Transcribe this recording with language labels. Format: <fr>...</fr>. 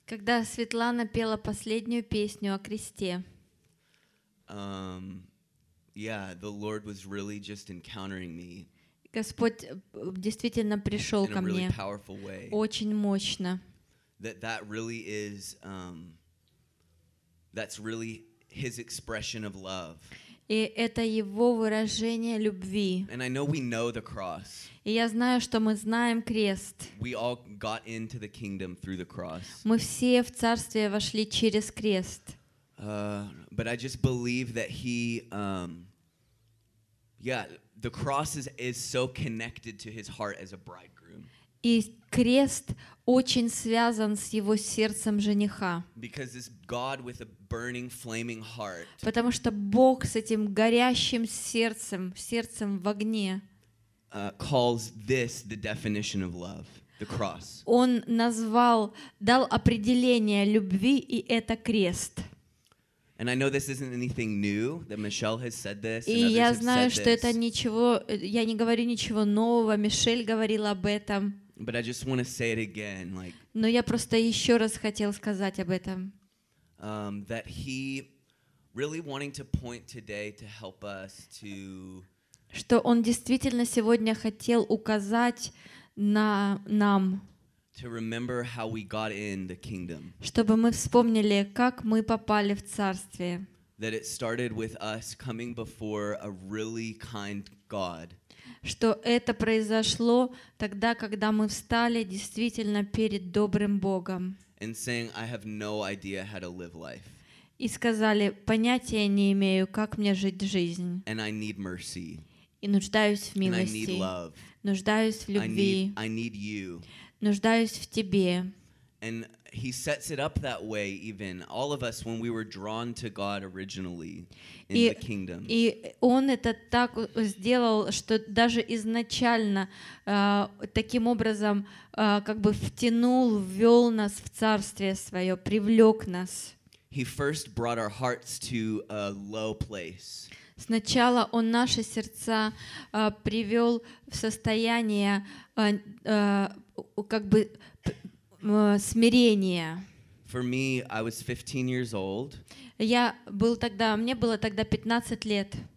<ru>Когда Светлана пела последнюю песню о кресте.</ru> <en>The Lord was really just encountering me.</en> <ru>Господь действительно пришел ко мне очень мощно.</ru> <en>That really is, that's really his expression of love.</en> <ru>И это его выражение любви.</ru> <en>And I know we know the cross.</en> <ru>И я знаю, что мы знаем крест.</ru> <en>We all got into the kingdom through the cross.</en> <ru>Мы все в царствие вошли через крест.</ru> <en>But I just believe that he, the cross is so connected to his heart as a bridegroom.</en> <ru>И крест очень связан с его сердцем жениха.</ru> <en>Because this God with a burning, flaming heart.</en> <ru>Потому что Бог с этим горящим сердцем, сердцем в огне.</ru> <en>Calls this the definition of love, the cross.</en> <ru>Он назвал, дал определение любви, и это крест.</ru> <en>And I know this isn't anything new that Michelle has said this.</en> <ru>И я знаю, что это ничего, я не говорю ничего нового. Мишель говорила об этом.</ru> <en>But I just want to say it again, like.</en> <ru>Но я просто еще раз хотел сказать об этом.</ru> <en>That he really wanting to point today to help us to.</en> <ru>Что он действительно сегодня хотел указать на нам.</ru> <en>To remember how we got in the kingdom.</en> <ru>Чтобы мы вспомнили, как мы попали в царствие.</ru> <en>That it started with us coming before a really kind God.</en> <ru>Что это произошло тогда, когда мы встали действительно перед добрым Богом.</ru> <en>And saying, I have no idea how to live life.</en> <ru>И сказали, понятия не имею, как мне жить жизнь.</ru> <en>And I need mercy.</en> <ru>И нуждаюсь в милости.</ru> <en>And I need love.</en> <ru>Нуждаюсь в любви.</ru> <en>I need you.</en> <ru>Нуждаюсь в тебе.</ru> <en>And he sets it up that way even all of us when we were drawn to God originally in the kingdom.</en> <ru>И он это так сделал, что даже изначально таким образом как бы втянул, ввёл нас в царствие своё, привлёк нас.</ru> <en>He first brought our hearts to a low place.</en> <ru>Сначала он наши сердца привёл в состояние как бы смирение.</ru> <en>For me, I was 15 years old.</en> <ru>Я был тогда, мне было тогда 15 лет.</ru>